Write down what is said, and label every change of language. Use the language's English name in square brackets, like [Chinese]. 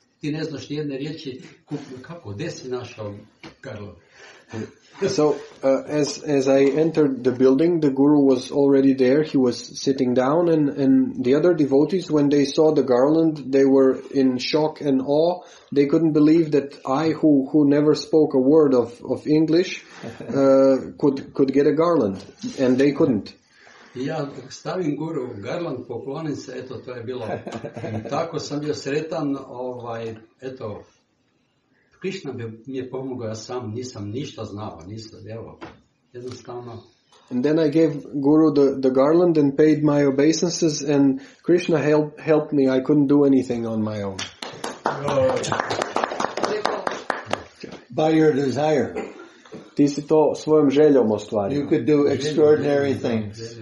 [Croatian] Ti ne znaš ni jedne riječi, kako, gdje si našao garland? [English] So as I entered the building, the guru was already there. He was sitting down, and the other devotees, when they saw the garland, they were in shock and awe. They couldn't believe that I, who never spoke a word of English, could get a garland, and they couldn't. [Croatian] Ja stavim guru garland, poklonim se, eto, to je bilo. I tako sam bio sretan, eto. Krishna mi je pomogao, ja sam nisam ništa znao, nisam, evo, jednostavno. [English] And then I gave guru the garland and paid my obeisances, and Krishna helped me, I couldn't do anything on my own. By your desire. [Croatian] Ti si to svojom željom ostvario. [English] You could do extraordinary things.